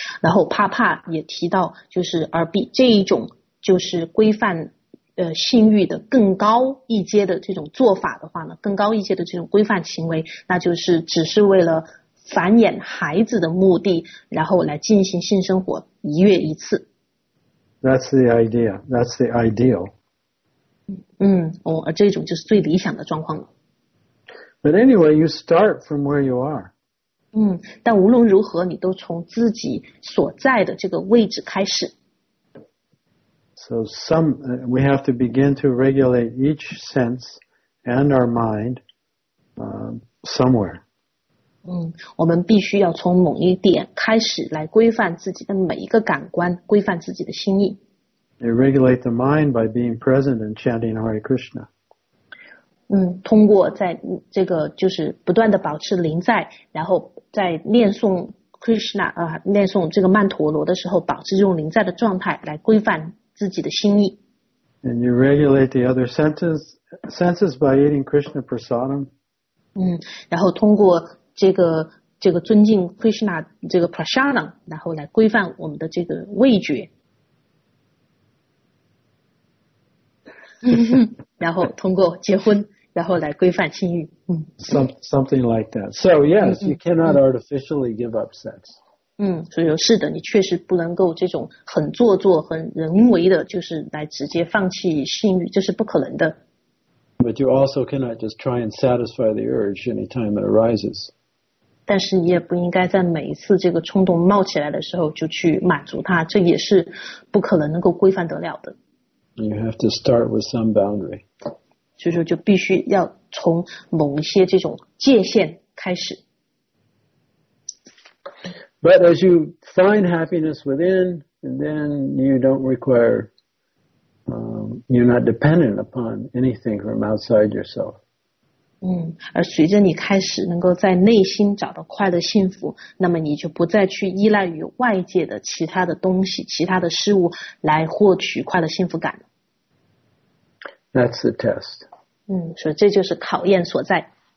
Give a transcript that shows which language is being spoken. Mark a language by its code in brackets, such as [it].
[zh] 然后帕帕也提到，就是而比这一种就是规范性欲的更高一阶的这种做法的话呢，更高一阶的这种规范行为，那就是只是为了繁衍孩子的目的，然后来进行性生活一月一次。 [en] That's the idea. That's the ideal. [zh] 而这种就是最理想的状况了。 [en] But anyway, you start from where you are. [zh] 但无论如何，你都从自己所在的这个位置开始。 [en] So we have to begin to regulate each sense and our mind, somewhere. [zh] 我们必须要从某一点开始来规范自己的每一个感官，规范自己的心意。 [en] You regulate the mind by being present and chanting Hare Krishna. [zh] 通过在这个就是不断的保持临在，然后在念诵 Krishna, 念诵这个曼陀罗的时候，保持这种临在的状态来规范自己的心意。 [en] And you regulate the other senses by eating Krishna prasadam. [zh] 然后通过这个尊敬 Krishna 这个 prasadam, 然后来规范我们的这个味觉。然后通过结婚，然后来规范性欲。 [en] Something like that. So yes, you cannot artificially give up sex. [zh] 所以说是的，你确实不能够这种很做作、很人为的，就是来直接放弃性欲，这是不可能的。 [en] But you also cannot just try and satisfy the urge anytime it arises. [zh] 但是你也不应该在每一次这个冲动冒起来的时候就去满足它，这也是不可能能够规范得了的。 [en] You have to start with some boundary. [zh] 所以说就必须要从某一些这种界限开始。 [en] But as you find happiness within, and then you don't require, you're not dependent upon anything from outside yourself. [zh] 而随着你开始能够在内心找到快乐幸福，那么你就不再去依赖于外界的其他的东西、其他的事物来获取快乐幸福感。 [en] That's the test. [zh] 所以这就是考验所在。